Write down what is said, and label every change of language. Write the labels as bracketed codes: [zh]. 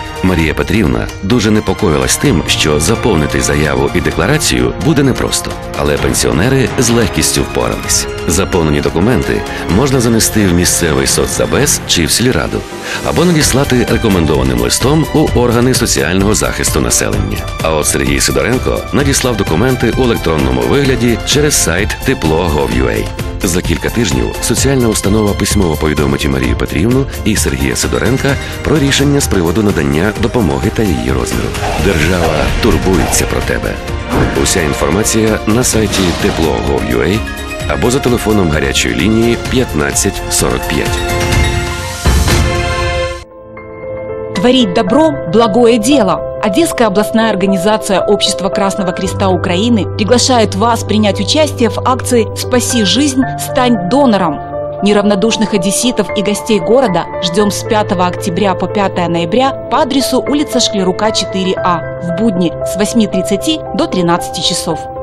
[uk] Марія Петрівна дуже непокоїлась тим, що заповнити заяву і декларацію буде непросто. Але пенсіонери з легкістю впорались. Заповнені документи можна занести в місцевий соцзабез чи в сільраду, або надіслати рекомендованим листом у органи соціального захисту населення. А от Сергій Сидоренко надіслав документи у електронному вигляді через сайт tiplo.gov.ua. За кілька тижнів соціальна установа письмово повідомить Марію Петрівну і Сергія Сидоренка про рішення з приводу надання допомоги та її розміру. Держава турбується про тебе. Уся інформація на сайті tiplo.gov.ua або за телефоном гарячої лінії 1545. Творіть добро, благое діло. [ru] Одесская областная организация Общества Красного Креста Украины приглашает вас принять участие в акции «Спаси жизнь, стань донором». Неравнодушных одесситов и гостей города ждем с 5 октября по 5 ноября по адресу улица Шклярука, 4А, в будни с 8:30 до 13 часов.